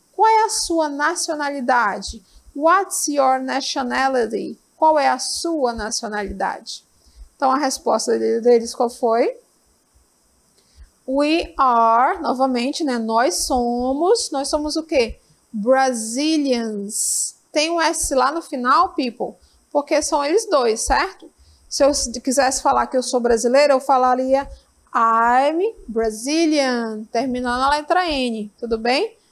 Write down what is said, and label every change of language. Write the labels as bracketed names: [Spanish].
[Portuguese] Qual é a sua nacionalidade? [English] What's your nationality? [Portuguese] Qual é a sua nacionalidade? Então, a resposta deles qual foi? [English] We are, [Portuguese] novamente, né? Nós somos o quê? [English] Brazilians. [Portuguese] Tem um S lá no final, [English] people? [Portuguese] Porque são eles dois, certo? Se eu quisesse falar que eu sou brasileira, eu falaria [English] I'm Brazilian, [Portuguese] terminando a letra N, tudo bem?